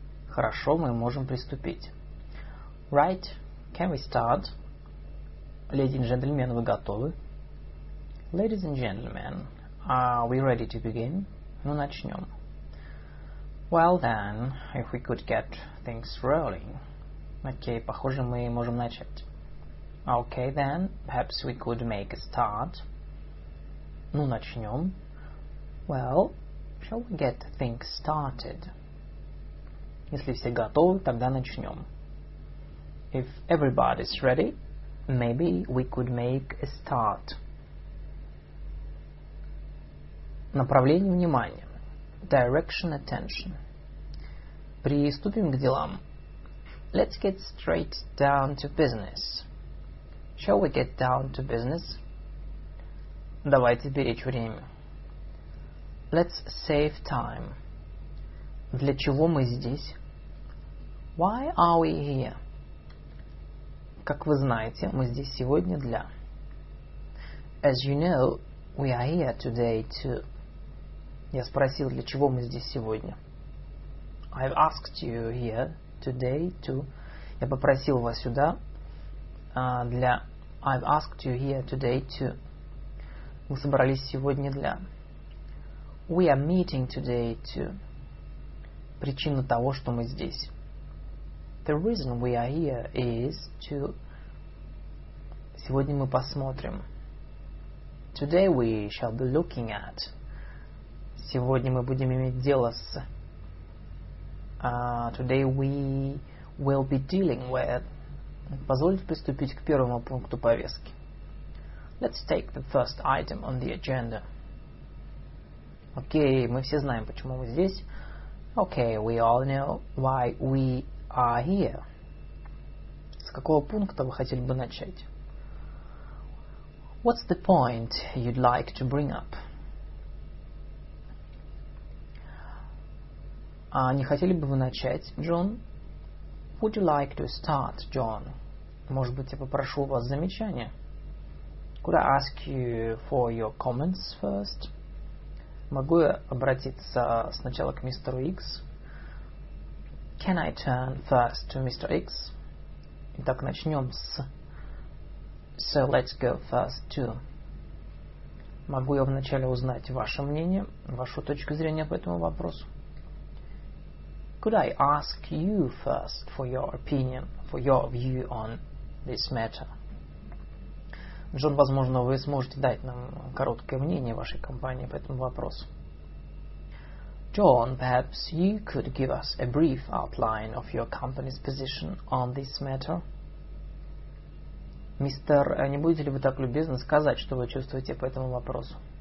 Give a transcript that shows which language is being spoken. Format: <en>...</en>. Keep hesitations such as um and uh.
<ru>Хорошо, мы можем приступить.</ru> <en>Right. Can we start? Ladies and gentlemen, are we ready Ladies and gentlemen, are we ready to begin?</en> <ru>Ну, начнем.</ru> <en>Well then, if we could get things rolling.</en> <ru>okay, похоже, мы можем начать.</ru> <en>Okay then, perhaps we could make a start.</en> <ru>Ну, начнем.</ru> <en>Well, shall we get things started?</en> <ru>Готовы,</ru> <en>if everybody's ready, maybe we could make a start.</en> <ru>Направление внимания.</ru> <en>Direction attention.</en> <ru>Приступим к делам.</ru> <en>Let's get straight down to business. Shall we get down to business?</en> <ru>Давайте беречь время.</ru> <en>Let's save time.</en> <ru>Для чего мы здесь?</ru> <en>Why are we here?</en> <ru>Как вы знаете, мы здесь сегодня для...</ru> <en>As you know, we are here today to...</en> <ru>Я спросил, для чего мы здесь сегодня.</ru> <en>I've asked you here today to...</en> <ru>Я попросил вас сюда uh, для...</ru> <en>I've asked you here today to...</en> <ru>Мы собрались сегодня для...</ru> <en>We are meeting today to...</en> <ru>Причина того, что мы здесь.</ru> <en>The reason we are here is to...</en> <ru>Сегодня мы посмотрим.</ru> <en>Today we shall be looking at...</en> <ru>Сегодня мы будем иметь дело с...</ru> <en>Uh, today we will be dealing with...</en> <ru>Позвольте приступить к первому пункту повестки.</ru> <en>Let's take the first item on the agenda.</en> <ru>Окей, okay, мы все знаем, почему мы здесь.</ru> <en>Окей, okay, we all know why we are here.</en> <ru>С какого пункта вы хотели бы начать?</ru> <en>What's the point you'd like to bring up?</en> <ru>А uh, не хотели бы вы начать, Джон?</ru> <en>Would you like to start, John?</en> <ru>Может быть, я попрошу у вас замечания?</ru> <en>Could I ask you for your comments first?</en> <ru>Могу я обратиться сначала к мистеру X?</ru> <en>Can I turn first to Mr. X?</en> <ru>Итак, начнем с...</ru> <en>So let's go first to...</en> <ru>Могу я вначале узнать ваше мнение, вашу точку зрения по этому вопросу?</ru> <en>could I ask you first for your opinion, for your view on this matter?</en> <ru>Джон, возможно, вы сможете дать нам короткое мнение вашей компании по этому вопросу.</ru> <en>Джон, perhaps you could give us a brief outline of your company's position on this matter.</en> <ru>Мистер, а не будете ли вы так любезны сказать, что вы чувствуете по этому вопросу?</ru>